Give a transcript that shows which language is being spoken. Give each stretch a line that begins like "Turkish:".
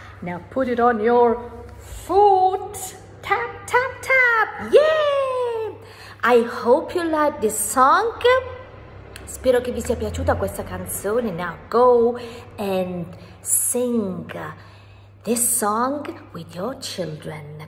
English: Now put it on your foot. Tap, tap, tap. Yay! I hope you like this song.
Italian: Spero che vi sia piaciuta questa canzone.
English: Now go and sing this song with your children.